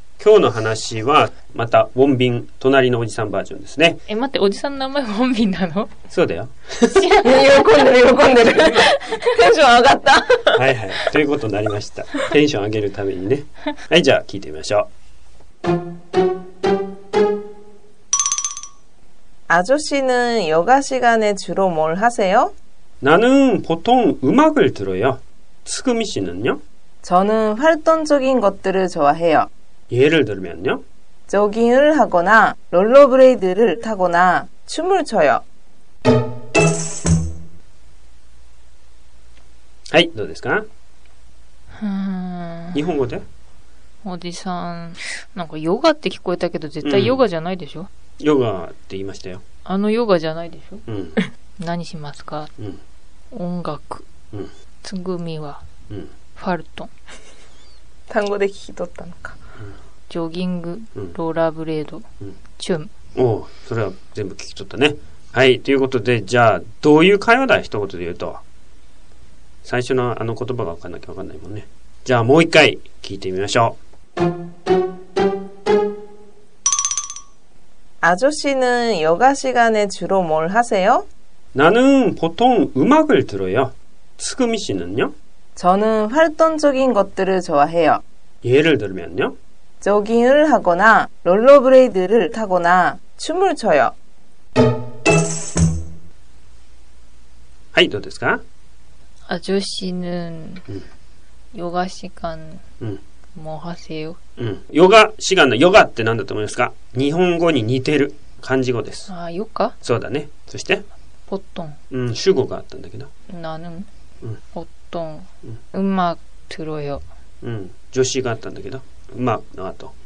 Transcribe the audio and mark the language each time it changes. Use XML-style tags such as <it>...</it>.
<ja>今日の話はまたウォンビン、隣のおじさんバージョンですね。え、待って、おじさんの名前ウォンビンなの。そうだよ喜んでる喜んでるテンション上がったはいはい、ということになりました。テンション上げるためにね、はい、じゃあ聞いてみましょう。</ja> <ko>아저씨는여가시간에주로뭘하세요? 나는보통음악을들어요. 츠금이씨는요? 저는활동적인것들을좋아해요. 예를들면요? 조깅을하거나롤러브레이드를타거나춤을춰요.</ko> <ja>はい、どうですか? 日本語で? おじさん、なんかヨガって聞こえたけど絶対ヨガじゃないでしょ、うん、ヨガって言いましたよ。あのヨガじゃないでしょ、うん、何しますか、うん、音楽、うん、つぐみは、うん、ファルトン単語で聞き取ったのか、うん、ジョギング、ローラーブレード、うん、チューム、おー、それは全部聞き取ったね。はい、ということで、じゃあどういう会話だ、一言で言うと。最初のあの言葉が分かんなきゃ分かんないもんね。じゃあもう一回聞いてみましょう。</ja> <ko>아저씨는여가시간에주로뭘하세요? 나는보통음악을들어요. 츠금이씨는요? 저는활동적인것들을좋아해요. 예를들면요? 조깅을하거나롤러브레이드를타거나춤을춰요.</ko> <ja>はい、どうですか?</ja> <ko>아저씨는여가시간뭐하세요?</ko> <ja>うん、ヨガ、シガンのヨガって何だと思いますか。日本語に似てる漢字語です。あ、ヨガ、そうだね。そしてポットン、うん、主語があったんだけど、</ja> <ko>나는、</ko> <ja>うん、ポットン、うまく</ja> <ko>들어요、</ko> <ja>うん、助詞があったんだけど、うまくの後</ja>